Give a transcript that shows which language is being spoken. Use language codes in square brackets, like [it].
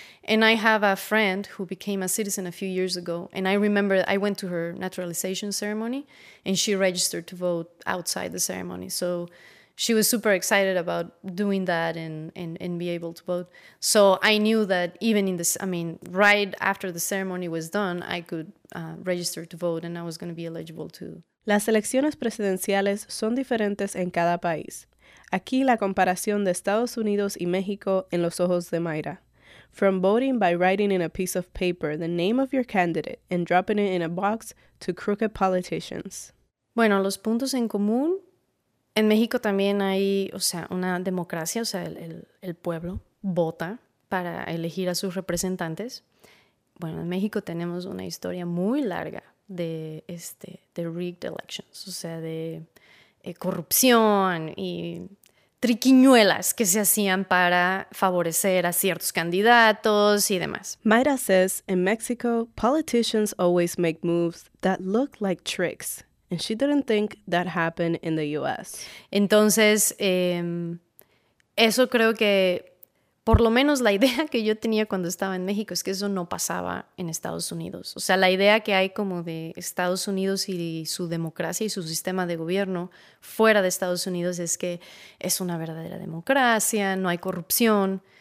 [en] And I have a friend who became a citizen a few years ago, and I remember I went to her naturalization ceremony, and she registered to vote outside the ceremony. So she was super excited about doing that and be able to vote. So I knew that even in this, I mean, right after the ceremony was done, I could register to vote, and I was going to be eligible too. [es] Las elecciones presidenciales son diferentes en cada país. Aquí la comparación de Estados Unidos y México en los ojos de Mayra. [en] From voting by writing in a piece of paper the name of your candidate and dropping it in a box to crooked politicians. [es] Bueno, los puntos en común. En México también hay, o sea, una democracia, o sea, el pueblo vota para elegir a sus representantes. Bueno, en México tenemos una historia muy larga de [en] rigged elections, [es] o sea, de corrupción y triquiñuelas que se hacían para favorecer a ciertos candidatos y demás. [en] Mayra says, in Mexico, politicians always make moves that look like tricks. And she didn't think that happened in the U.S. [es] Entonces, eso creo que, por lo menos la idea que yo tenía cuando estaba en México, es que eso no pasaba en Estados Unidos. O sea, la idea que hay como de Estados Unidos y su democracia y su sistema de gobierno fuera de Estados Unidos es que es una verdadera democracia, no hay corrupción.